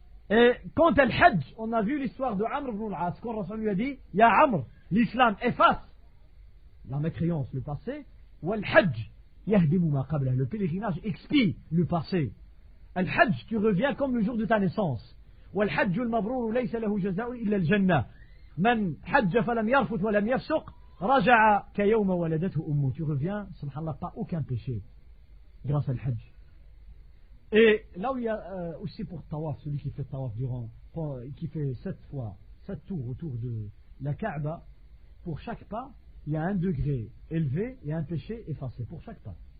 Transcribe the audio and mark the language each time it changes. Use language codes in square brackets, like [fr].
[fr] Et quant à l'Hajj, on a vu l'histoire de Amr ibn al-As. Quand Rasul lui a dit, il y a Amr, l'islam efface la mécréance, le passé, ou l'Hajj, [ar] yahdimu ma qabla, [fr] le pèlerinage expie le passé. Al-Hajj, tu reviens comme le jour de ta naissance. [ar] والحج المبرور ليس له جزاء إلا الجنة من حج فلم يرفث ولم يفسق رجع كيوم ولدته أمه. [fr] Tu reviens, سبحان الله, pas aucun péché grâce à l'Hajj. Et là où il y a aussi pour tawaf, celui qui fait tawaf durant, qui fait 7 fois, 7 tours autour de la Kaaba, pour chaque pas, il y a un degré élevé et un péché effacé pour chaque pas.